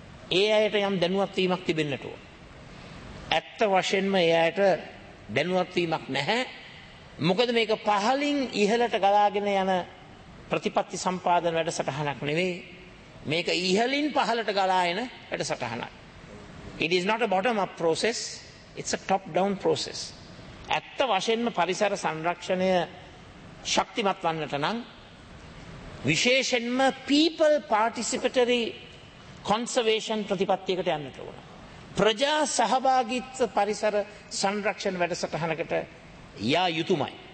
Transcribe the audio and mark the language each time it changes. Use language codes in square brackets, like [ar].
[si] ඒ අයට යම් දැනුවත් වීමක් තිබෙන්නට ඕන. ඇත්ත වශයෙන්ම ඒ අයට දැනුවත් වීමක් නැහැ. මොකද මේක පහලින් ඉහළට ගලාගෙන යන ප්‍රතිපත්ති සම්පාදන වැඩසටහනක් නෙවෙයි. මේක ඉහළින් පහළට ගලා එන වැඩසටහනක්. [en] It is not a bottom-up process. It's a top-down process. [si] ඇත්ත වශයෙන්ම පරිසර සංරක්ෂණය ශක්තිමත් වන්නට නම් විශේෂයෙන්ම [en] people participatory conservation [si] ප්‍රතිපත්තියකට යන්න ඕන. ප්‍රජා සහභාගීත්ව පරිසර සංරක්ෂණ වැඩසටහනකට යා යුතුමයි.